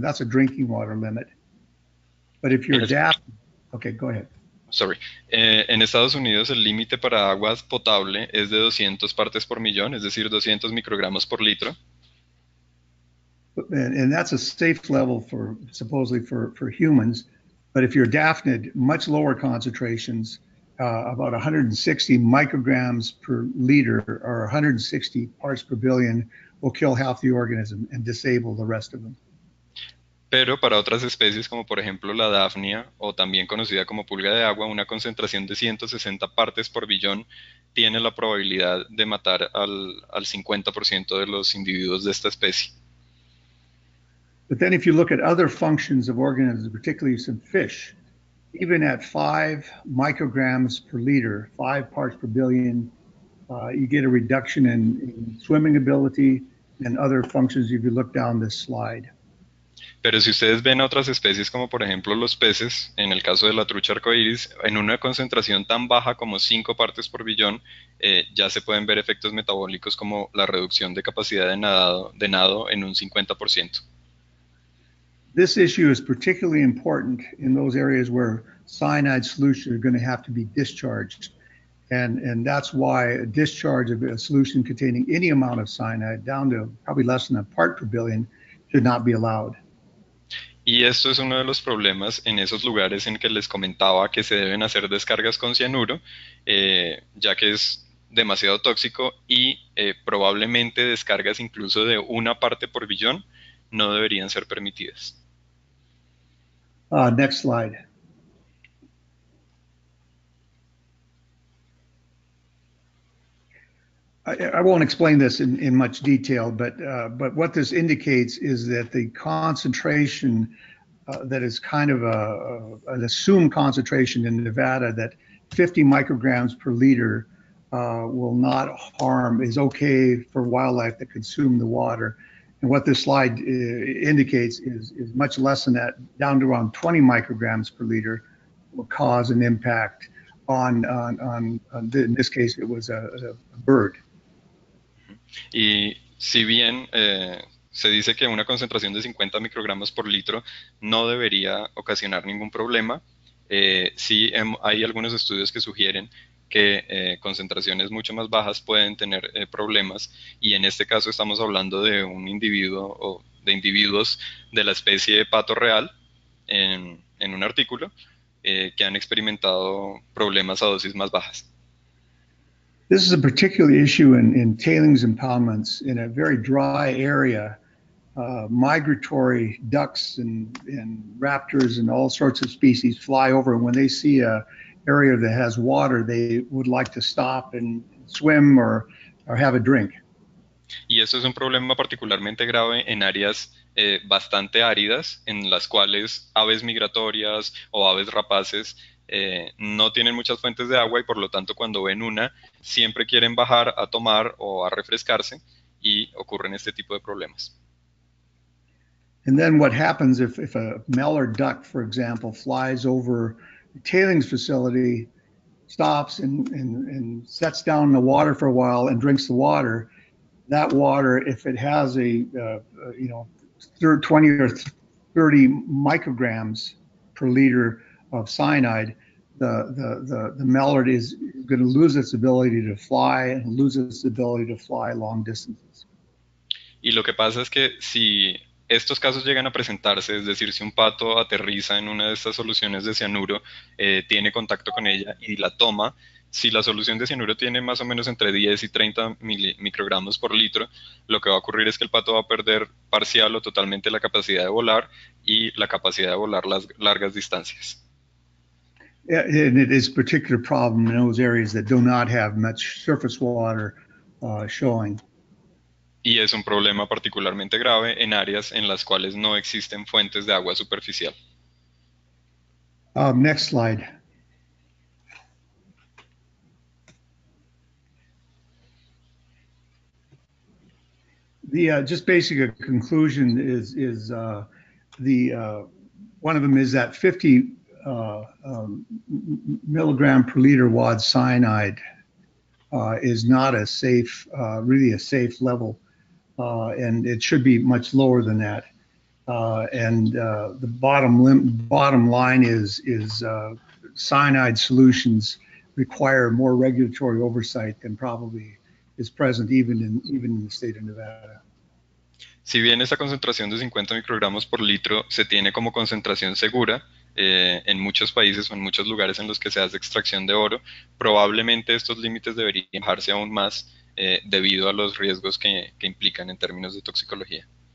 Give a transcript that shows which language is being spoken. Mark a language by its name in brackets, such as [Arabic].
[English] That's a drinking water limit. But if you're adapted, okay, go ahead. Sorry. [Spanish] En Estados Unidos el límite para agua potable es de 200 partes por millón, es decir, 200 microgramos por litro. [English] And that's a safe level for supposedly for humans. But if you're daphnid, much lower concentrations, about 160 micrograms per liter or 160 parts per billion, will kill half the organism and disable the rest of them. [Spanish] Pero para otras especies, como por ejemplo la dafnia, o también conocida como pulga de agua, una concentración de 160 partes por billón tiene la probabilidad de matar al 50% de los individuos de esta especie. [English] But then, if you look at other functions of organisms, particularly some fish, even at 5 micrograms per liter, 5 parts per billion, you get a reduction in swimming ability and other functions if you look down this slide. [Spanish] Pero si ustedes ven a otras especies, como por ejemplo los peces, en el caso de la trucha arcoíris, en una concentración tan baja como 5 partes por billón, ya se pueden ver efectos metabólicos como la reducción de capacidad de nado en un 50%. [English] This issue is particularly important in those areas where cyanide solutions are going to have to be discharged. And that's why a discharge of a solution containing any amount of cyanide, down to probably less than a part per billion, should not be allowed. [Spanish] Y esto es uno de los problemas en esos lugares en que les comentaba que se deben hacer descargas con cianuro, ya que es demasiado tóxico y probablemente descargas incluso de una parte por billón no deberían ser permitidas. [English] Next slide. I won't explain this in much detail, but what this indicates is that the concentration that is kind of an assumed concentration in Nevada that 50 micrograms per liter will not harm, is okay for wildlife that consume the water. And what this slide indicates is much less than that, down to around 20 micrograms per liter will cause an impact on the, in this case, it was a bird. [Spanish] Y si bien se dice que una concentración de 50 microgramos por litro no debería ocasionar ningún problema, sí hay algunos estudios que sugieren que concentraciones mucho más bajas pueden tener problemas, y en este caso estamos hablando de un individuo o de individuos de la especie de pato real en un artículo que han experimentado problemas a dosis más bajas. [English] This is a particular issue in tailings impoundments in a very dry area. Migratory ducks and raptors and all sorts of species fly over, and when they see a area that has water, they would like to stop and swim or have a drink. [Spanish] Y eso es un problema particularmente grave en áreas bastante áridas, en las cuales aves migratorias o aves rapaces no tienen muchas fuentes de agua, y por lo tanto cuando ven una siempre quieren bajar a tomar o a refrescarse, y ocurren este tipo de problemas. [English] And then what happens if a mallard duck, for example, flies over a tailings facility, stops and sets down in the water for a while and drinks the water, that water, if it has a 20 or 30 micrograms per liter of cyanide, the mallard is going to lose its ability to fly and lose its ability to fly long distances. [Spanish] Y lo que pasa es que si estos casos llegan a presentarse, es decir, si un pato aterriza en una de estas soluciones de cianuro, tiene contacto con ella y la toma, si la solución de cianuro tiene más o menos entre 10 y 30 microgramos por litro, lo que va a ocurrir es que el pato va a perder parcial o totalmente la capacidad de volar, y la capacidad de volar las largas distancias. [English] And it is a particular problem in those areas that do not have much surface water showing. [Spanish] Y es un problema particularmente grave en áreas en las cuales no existen fuentes de agua superficial. [English] Next slide. The just basic conclusion is the one of them is that 50 milligram per liter wad cyanide is not a safe, really a safe level, and it should be much lower than that. The bottom line is cyanide solutions require more regulatory oversight than probably is present even in the state of Nevada. [Spanish] Si bien esta concentración de 50 microgramos por litro se tiene como concentración segura en muchos países o en muchos lugares en los que se hace extracción de oro, probablemente estos límites deberían bajarse aún más debido a los riesgos que implican en términos de toxicología.